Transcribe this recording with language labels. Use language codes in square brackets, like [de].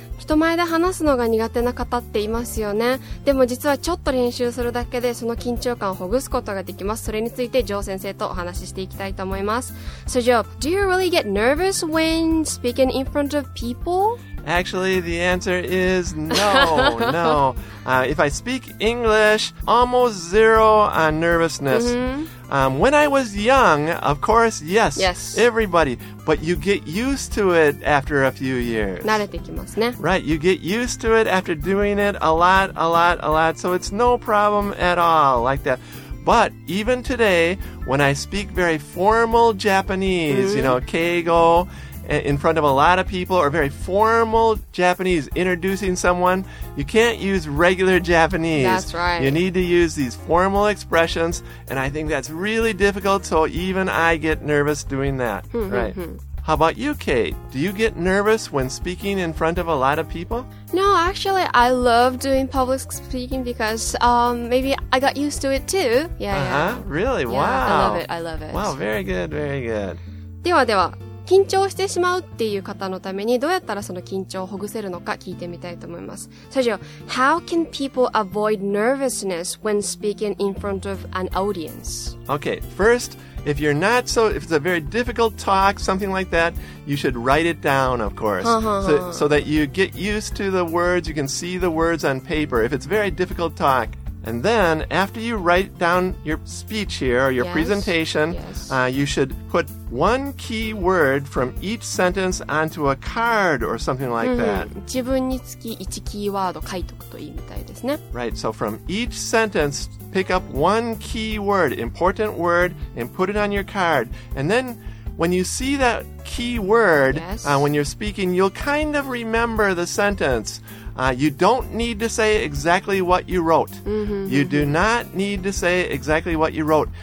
[ja] 人前で話すのが苦手な方っていますよね。でも実はちょっと練習するだけでその緊張感をほぐすことができます。それについてジョー先生とお話ししていきたいと思います。 [en] So Joe, do you really get nervous when speaking in front of people? Actually, the answer is no. If I speak English, almost zero on nervousness. When I was young, of course, yes, everybody. But you get used to it after a few years. [ja] 慣れてきますね。 [en] Right, you get used to it after doing it a lot. So it's no problem at all like that. But even today, when I speak very formal Japanese, you know, keigo, in front of a lot of people, or very formal Japanese, introducing someone, you can't use regular Japanese. That's right. You need to use these formal expressions, and I think that's really difficult, so even I get nervous doing that. Right. How about you, Kate? Do you get nervous when speaking in front of a lot of people? No, actually, I love doing public speaking because maybe I got used to it too. Really? Yeah, wow. I love it. Wow, very good, very good. [ja] ではでは。緊張してしまうっていう方のためにどうやったらその緊張をほぐせるのか聞いてみたいと思います。 [en] So Joe, how can people avoid nervousness when speaking in front of an audience? Okay, first, if it's a very difficult talk, something like that, you should write it down, of course. So that you get used to the words, you can see the words on paper. If it's very difficult talk, and then after you write down your speech here, or your presentation, you should put one key word from each sentence onto a card or something like that. [ja] 自分につき一キーワード書いとくといいみたいですね。 [en] Right, so from each sentence, pick up one key word, important word, and put it on your card. And then when you see that key word, when you're speaking, you'll kind of remember the sentence. You don't need to say exactly what you wrote. You do not need to say exactly what you wrote.